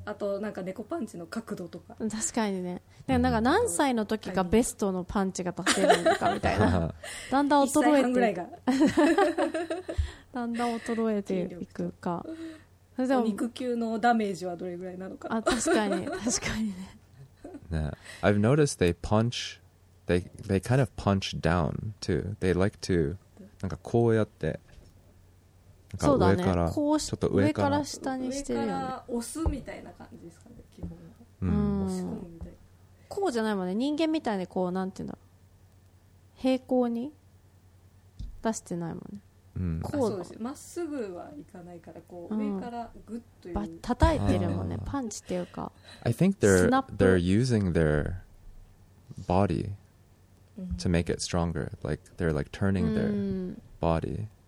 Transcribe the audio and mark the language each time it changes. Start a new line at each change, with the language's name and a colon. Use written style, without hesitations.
Japanese: あとなんか猫パンチの角度とか、確かにね、なんか何歳の時がベストのパンチが出せるのかみたいなだんだん衰えて1歳半ぐらいがだんだん衰えていくか、それでも肉球のダメージはどれぐらいなのか、あ、確かに確かにね。
English: Now, I've noticed they punch they kind of punch down too. They like to
Japanese: なんかこうやって、そうだね、こうちょっと上から下にしてるよ、ね、上から押すみたいな感じですかね、基本、押し込むみたい、こうじゃないもんね、人間みたいにこう、なんていうんだろう、平行に出してないもんね、こう、そうです、まっすぐはいかないから、こう上からグッという、叩いてるもんね、パンチっていうか、
English: I think they're using their body to make it stronger, like they're like turning their body.